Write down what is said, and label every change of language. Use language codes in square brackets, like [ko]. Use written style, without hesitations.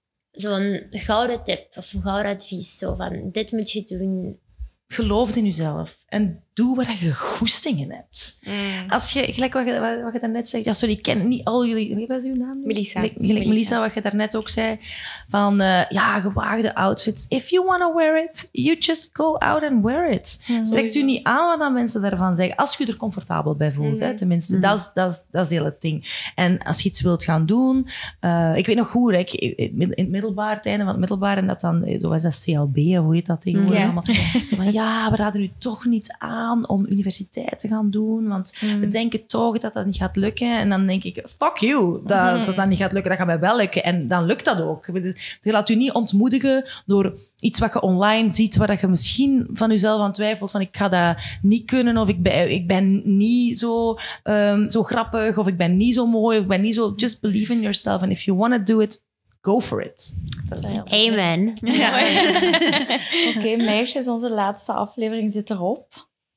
[nl] Zo'n gouden tip of een gouden advies. Zo van, dit moet je doen. Geloof in jezelf. En doe waar je goestingen hebt. Mm. Als je, gelijk wat je daarnet zegt. Ja, sorry, ik ken niet al jullie... Wat is uw naam? Melissa. Gelijk Melissa, wat je daarnet ook zei. Van, gewaagde outfits. [en] If you want to wear it, you just go out and wear it. [nl] Ja, trek u niet aan wat mensen daarvan zeggen. Als je er comfortabel bij voelt, tenminste. Mm. Dat is heel het ding. En als je iets wilt gaan doen... ik weet nog goed, hè, het einde van het middelbaar, en dat dan... Dat was dat CLB, hoe heet dat ding? Zo van, ja, we raden u toch niet aan om universiteit te gaan doen, want we denken toch dat dat niet gaat lukken. En dan denk ik, fuck you, dat niet gaat lukken, dat gaat mij wel lukken. En dan lukt dat ook. Je laat je niet ontmoedigen door iets wat je online ziet, waar je misschien van jezelf aan twijfelt, van ik ga dat niet kunnen, of ik ben niet zo, zo grappig, of ik ben niet zo mooi, of ik ben niet zo... [en] Just believe in yourself, and if you want to do it, go for it. [nl] Amen. Ja. Oké, meisjes, onze laatste aflevering zit erop.